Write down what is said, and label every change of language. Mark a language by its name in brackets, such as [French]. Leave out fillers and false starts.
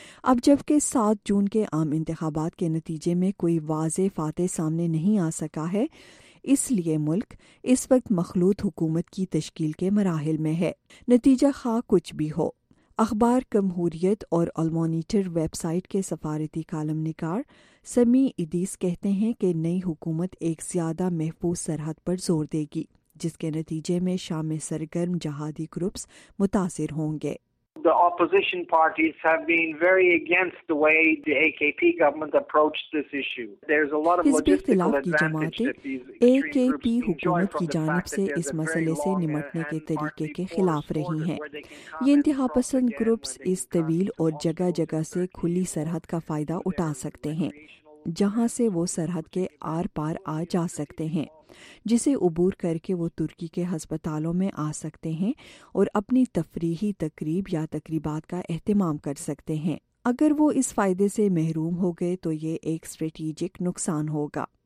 [Urdu] اب جبکہ 7 جون کے عام انتخابات کے نتیجے میں کوئی واضح فاتح سامنے نہیں آ سکا ہے، اس لیے ملک اس وقت مخلوط حکومت کی تشکیل کے مراحل میں ہے، نتیجہ خواہ کچھ بھی ہو۔ اخبار جمہوریت اور المونیٹر ویب سائٹ کے سفارتی کالم نگار سمی ادیس کہتے ہیں کہ نئی حکومت ایک زیادہ محفوظ سرحد پر زور دے گی، جس کے نتیجے میں شام میں سرگرم جہادی گروپس متاثر ہوں گے۔ [English] The opposition parties have been very against the way the AKP government approached this issue. There's a lot of logistical advantage that these [Urdu] AKP حکومت کی جانب سے اس مسئلے سے نمٹنے کے طریقے کے خلاف رہی ہیں۔ یہ انتہا پسند گروپس اس طویل اور جگہ جگہ سے کھلی سرحد کا فائدہ اٹھا سکتے ہیں، جہاں سے وہ سرحد کے آر پار آ جا سکتے ہیں، جسے عبور کر کے وہ ترکی کے ہسپتالوں میں آ سکتے ہیں اور اپنی تفریحی تقریب یا تقریبات کا اہتمام کر سکتے ہیں۔ اگر وہ اس فائدے سے محروم ہو گئے تو یہ ایک اسٹریٹیجک نقصان ہوگا۔